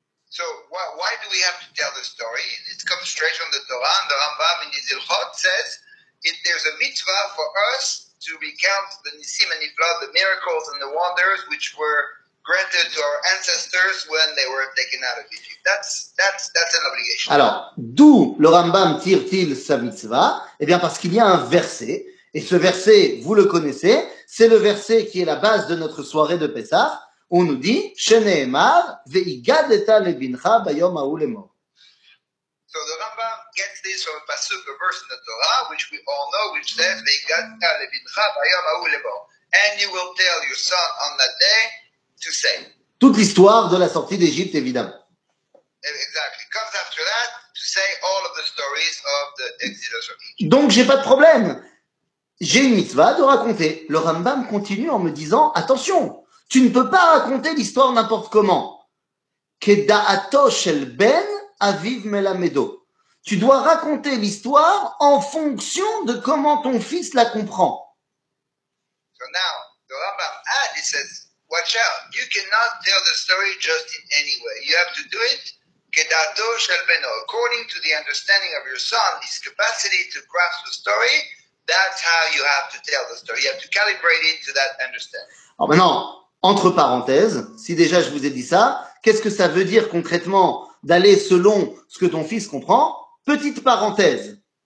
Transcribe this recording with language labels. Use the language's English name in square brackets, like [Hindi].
[English] So why do we have to tell the story? It comes straight from the Torah, and the Rambam in his Ilchot says, if there's a mitzvah for us to recount the Nisim and Niflaot, the miracles and the wonders which were granted to our ancestors when they were taken out of Egypt. That's an obligation. [French] Alors, d'où le Rambam tire-t-il sa mitzvah? Eh bien, parce qu'il y a un verset, et ce verset, vous le connaissez, c'est le verset qui est la base de notre soirée de Pessah. On nous dit [Hebrew] Sheneemar ve'igadeta levincha bayom ahu lemor. [English] So the Rambam gets this from a pasuk, a verse in the Torah, which we all know, which says [Hebrew] ve'igadeta levincha bayom ahu lemor, [English] and you will tell your son on that day to say. [French] Toute l'histoire de la sortie d'Égypte, évidemment. [English] Exactly. Comes after that to say all of the stories of the Exodus of Egypt. [French] Donc j'ai pas de problème. J'ai une mitzvah de raconter. Le Rambam continue en me disant attention. Tu ne peux pas raconter l'histoire n'importe comment. [Hebrew] Keda'ato shel ben aviv melamedo. [French] Tu dois raconter l'histoire en fonction de comment ton fils la comprend. [English] So now, the Rambam adds, he says, watch out, you cannot tell the story just in any way. You have to do it [Hebrew] keda'ato shel beno. [English] According to the understanding of your son, his capacity to grasp the story, that's how you have to tell the story. You have to calibrate it to that understanding. [French] Oh, maintenant, entre parenthèses, si déjà je vous ai dit ça, qu'est-ce que ça veut dire concrètement d'aller selon ce que ton fils comprend? Petite parenthèse.